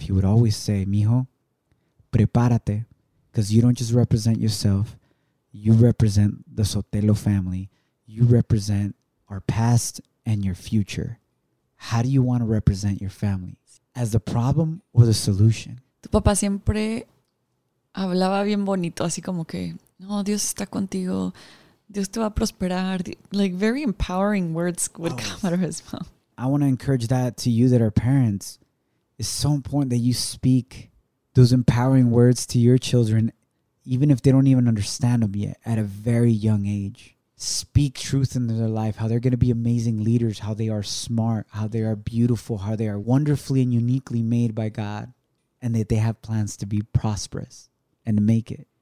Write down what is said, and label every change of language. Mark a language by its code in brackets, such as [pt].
[en] He would always say, [es] mijo, prepárate, [en] because you don't just represent yourself. You represent the Sotelo family. You represent our past and your future. How do you want to represent your family? As the problem or the solution? [es] Tu papá siempre hablaba bien bonito, así como que, no, Dios está contigo. Dios te va a prosperar. [en] Like very empowering words would come out of his mouth. I want to encourage that to you that are parents. It's so important that you speak those empowering words to your children, even if they don't even understand them yet, at a very young age. Speak truth into their life, how they're going to be amazing leaders, how they are smart, how they are beautiful, how they are wonderfully and uniquely made by God, and that they have plans to be prosperous and to make it.